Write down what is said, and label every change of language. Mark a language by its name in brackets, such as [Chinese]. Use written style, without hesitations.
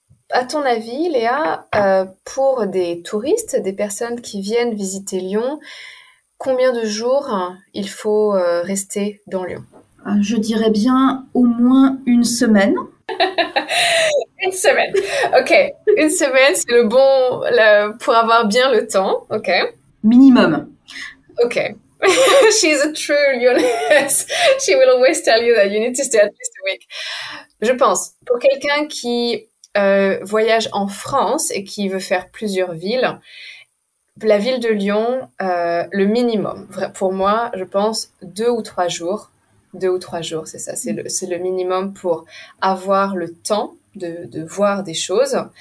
[French] À ton avis, Léa, pour des touristes, des personnes qui viennent visiter Lyon, combien de jours il faut rester dans Lyon? Je dirais bien au moins une semaine. Une semaine, ok. Une semaine, c'est le bon pour avoir bien le temps, ok. Minimum. [English] Ok. She's a true Lyonnaise. She will always tell you that you need to stay at least a week. [French] Je pense, pour quelqu'un qui... voyage en France et qui veut faire plusieurs villes, la ville de Lyon, le minimum, pour moi, je pense, 2 ou 3 jours. 2 ou 3 jours, c'est ça. C'est le minimum pour avoir le temps de voir des choses.